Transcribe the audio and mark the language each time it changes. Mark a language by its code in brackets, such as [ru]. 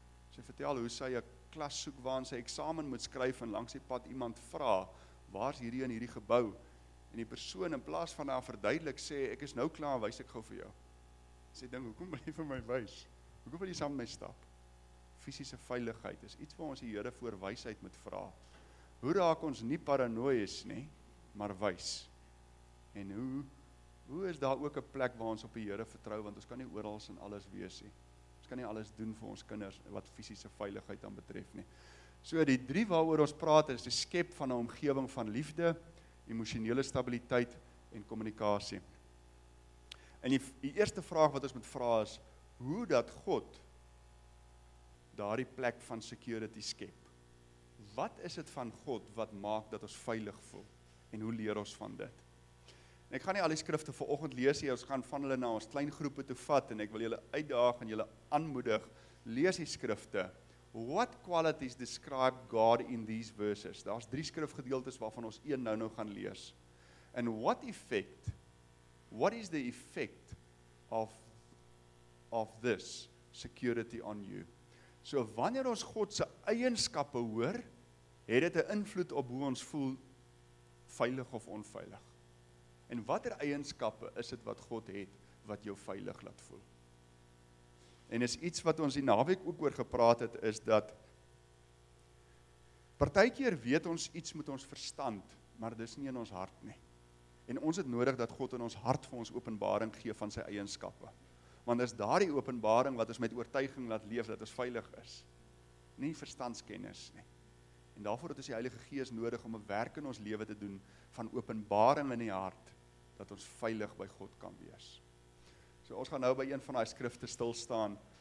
[af] Sy vertel hoe sy 'n klas soek waar sy eksamen moet skryf, en langs die pad iemand vra, waar's hierdie in hierdie gebou? En die persoon, in plaas van haar verduidelik, sê, ek is nou klaar, wys ek gou vir jou. Sê, ding, hoekom wil jy vir my wys? Hoekom wil jy saam met my stap? Fisiese veiligheid is iets waar ons die Here voor wysheid moet vra. Hoe raak ons nie paranoïes nie, maar wys? En hoe is daar ook 'n plek waar ons op die Here vertrou, want ons kan nie oral en alles wees nie. Ons kan nie alles doen vir ons kinders wat fisiese veiligheid dan betref nie. So die drie waaroor ons praat is die skep van 'n omgewing van liefde, emosionele stabiliteit en kommunikasie. En die eerste vraag wat ons moet vra is, hoe dat God daardie plek van security skep? Wat is dit van God wat maak dat ons veilig voel? En hoe leer ons van dit? En ek gaan nie al die skrifte vanoggend lees nie, ons gaan van hulle na ons klein groepe toe vat, en ek wil julle uitdaag en julle aanmoedig, lees die skrifte. [en] What qualities describe God in these verses? [af] Daar's drie skrifgedeeltes waarvan ons een nou gaan lees. [en] And what is the effect of this security on you? [af] So wanneer ons God se eienskappe hoor, het dit 'n invloed op hoe ons voel, veilig of onveilig. En watter eienskappe is dit wat God het wat jou veilig laat voel? En is iets wat ons die naweek ook oor gepraat het, is dat partykeer weet ons iets met ons verstand, maar dis nie in ons hart nie. En ons het nodig dat God in ons hart vir ons openbaring gee van sy eienskappe. Want is daardie openbaring wat ons met oortuiging laat leef, dat ons veilig is. Nie verstandskennis nie. En daarvoor het ons die Heilige Gees nodig om 'n werk in ons lewe te doen van openbaring in die hart, dat ons veilig by God kan wees. So ons gaan nou by een van daai skrifte stil staan.